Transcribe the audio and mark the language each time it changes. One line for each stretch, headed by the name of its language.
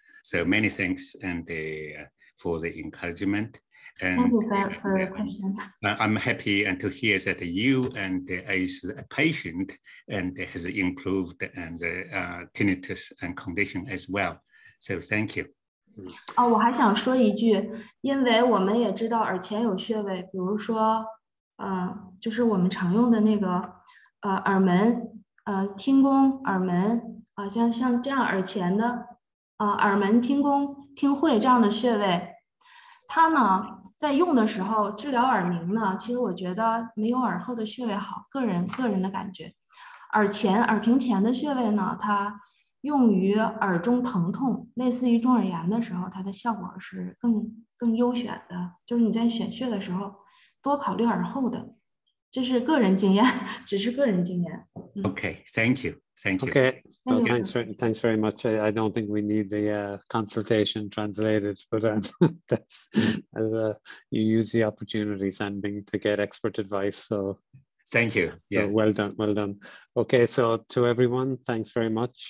English: So many thanks and for the encouragement. And, Thank you for the question. I'm happy and to hear that you and as a patient and has improved and the tinnitus and condition as well. So thank you.
Chinese: 哦，我还想说一句，因为我们也知道耳前有穴位，比如说，就是我们常用的那个，耳门，听宫、耳门，像这样耳前的，耳门、听宫、听会这样的穴位，它呢在用的时候治疗耳鸣呢，其实我觉得没有耳后的穴位好，个人的感觉。耳前、耳屏前的穴位呢，它用于耳中疼痛，类似于中耳炎的时候，它的效果是更优选的。就是你在选穴的时候，多考虑耳后的，这是个人经验，只是个人经验。
English: Okay, thank you. Okay, well, thanks very much. I don't think we need the consultation translated, but that's as a you use the opportunity sending to get expert advice. So. Thank you. Yeah. Well done. Okay, so to everyone, thanks very much.